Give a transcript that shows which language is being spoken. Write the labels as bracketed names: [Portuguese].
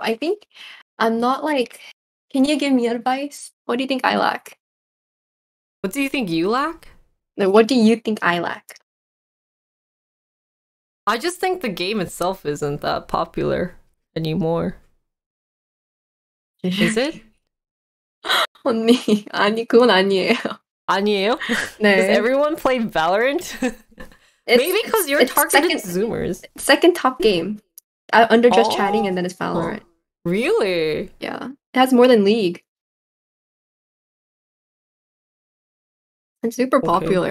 [English] I think I'm not like, can you give me advice? What do you think I lack? What do you think you lack? No, what do you think I lack? I just think the game itself isn't that popular anymore. Is it? [Korean] 언니, 아니 그건 아니에요. 아니에요? 네. [English] Does everyone play Valorant? Maybe because you're targeted Zoomers. Second top game. Under Just Chatting and then it's Valorant. Really? Yeah. It has more than League. It's super popular.